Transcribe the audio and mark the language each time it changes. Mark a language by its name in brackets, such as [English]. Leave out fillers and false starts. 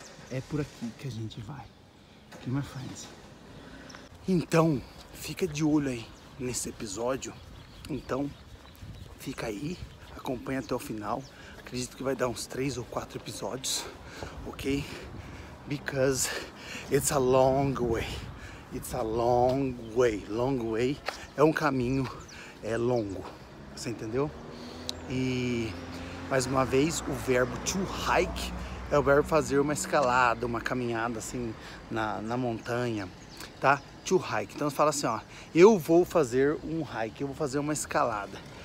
[Portuguese] É por aqui que a gente vai. Aqui, [English] my friends. [Portuguese] Então, fica de olho aí. Nesse episódio, então fica aí, acompanha até o final. Acredito que vai dar uns 3 ou 4 episódios, ok? [English] Because it's a long way, it's a long way, long way. [Portuguese] É um caminho, é longo, você entendeu? E mais uma vez, o verbo to hike é o verbo fazer uma escalada, uma caminhada assim na montanha, tá? To hike. Então fala assim, ó, eu vou fazer um hike, eu vou fazer uma escalada.